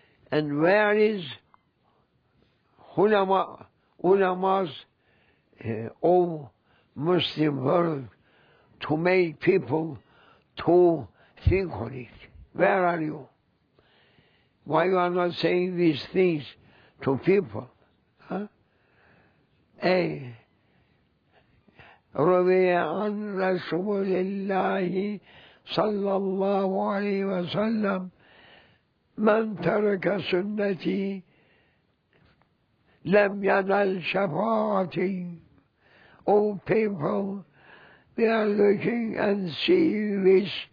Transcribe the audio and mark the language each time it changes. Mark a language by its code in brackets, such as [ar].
[en] And where is ulamas of Muslim world to make people to think on it? Where are you? Why you are not saying these things to people? [ar] رَوِيَ عَنْ رَسُولِ اللَّهِ صَلَّى اللَّهُ عَلَيْهِ وَسَلَّمْ من ترك سنتي لم ينل شفاعتي. [en] Oh people, we are looking and seeing this.